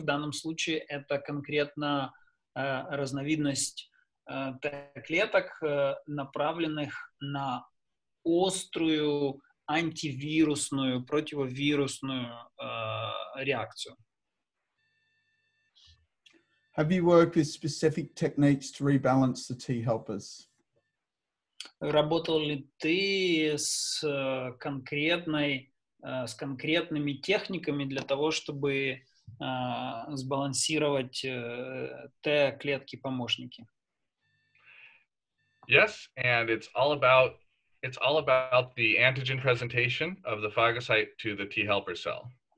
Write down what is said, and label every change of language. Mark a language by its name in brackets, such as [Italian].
[Russian] В данном случае это конкретно разновидность Т-клеток, направленных на острую антивирусную, противовирусную реакцию. [English] Have you worked with specific techniques to rebalance the T helpers? [Russian] Работал ли ты с конкретной с конкретными техниками для того, чтобы сбалансировать Т-клетки-помощники. [English] Yes, and it's all about the antigen presentation of the phagocyte to the T helper cell.